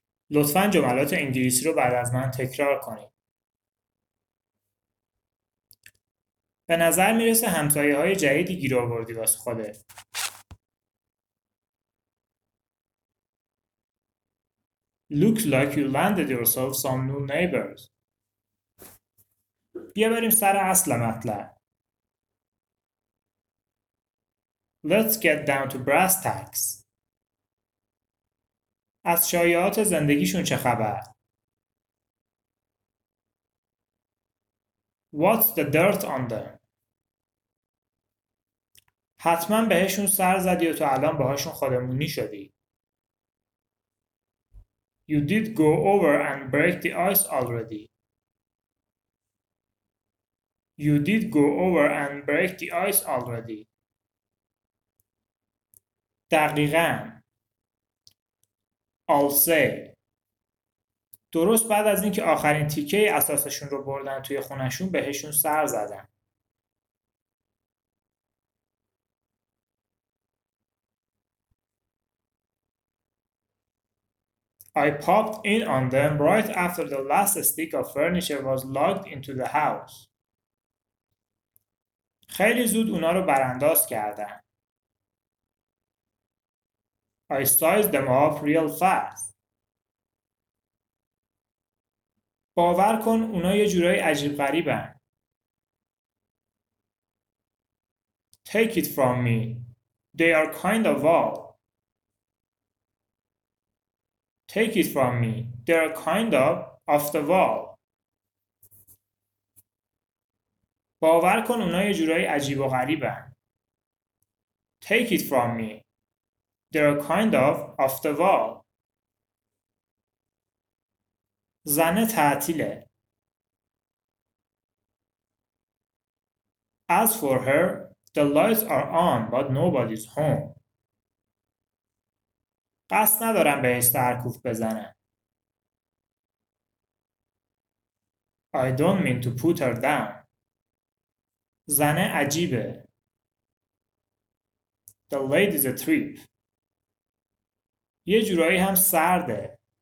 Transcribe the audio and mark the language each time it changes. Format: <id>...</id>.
<fa>لطفاً جملات انگلیسی رو بعد از من تکرار کنید. به نظر میرسه همسایه های جدیدی گیر آوردی واسه خودت.</fa> <en>Looks like you landed yourself some new neighbors.</en> <fa>بیا بریم سر اصل مطلب.</fa> <en>Let's get down to brass tacks.</en> <fa>از شایعات زندگیشون چه خبر؟</fa> <en>What's the dirt on them?</en> <fa>حتما بهشون سر زدی و تو الان باهاشون خودمونی شدی.</fa> <en>You did go over and break the ice already. You did go over and break the ice already.</en> <fa>دقیقاً.</fa> <en>I'll say.</en> <fa>درست بعد از اینکه آخرین تیکه اساسشون رو بردن توی خونشون بهشون سر زدن.</fa> <en>I popped in on them right after the last stick of furniture was logged into the house.</en> <fa>خیلی زود اونا رو برانداز کردن.</fa> <en>I sized them up real fast.</en> <fa>باور کن اونا یه جورای عجیب غریبن.</fa> <en>Take it from me. They are kind of odd. Take it from me. They are kind of off the wall.</en> <fa>باور کن اونا یه جورای عجیب و غریبن.</fa> <en>Take it from me. They're kind of off the wall.</en> <fa>زن تعطیله.</fa> <en>As for her, the lights are on, but nobody's home.</en> <fa>قصد ندارم بهش سرکوف بزنم.</fa> <en>I don't mean to put her down.</en> <fa>زن عجیبه.</fa> <en>The lady's a trip.</en> <fa>یه جورایی هم سرده.</fa>